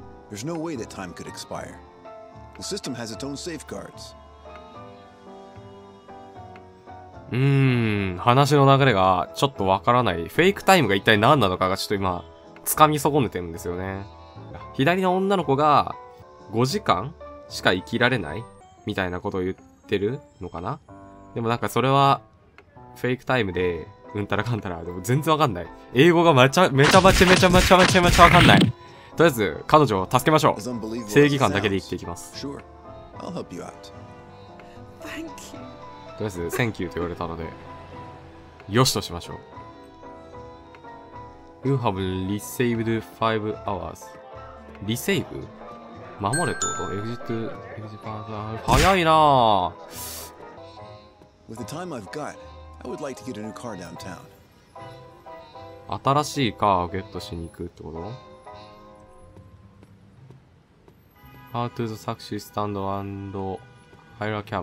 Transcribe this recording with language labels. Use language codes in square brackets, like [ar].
[en] There's no way that time could expire. The system has its own safeguards. [ja] 話の流れがちょっとわからない。フェイクタイムが一体何なのかがちょっと今、つかみ損ねてるんですよね。左の女の子が5時間しか生きられないみたいなことを言ってるのかな。でもなんかそれはフェイクタイムで、うんたらかんたら、でも全然わかんない。英語がめちゃめちゃわかんない。とりあえず彼女を助けましょう。正義感だけで生きていきます。とりあえず、 [en] Thank you [ja] と言われたので、よしとしましょう。 [en] You have received 5 hours. [ja] リセイブ？守れってこと？エグジットパーザー。早いなぁ。 [en] With the time I've got, I would like to get a new car downtown. [ja] 新しいカーをゲットしに行くってこと？ [en] How to the taxi stand and hire a cab?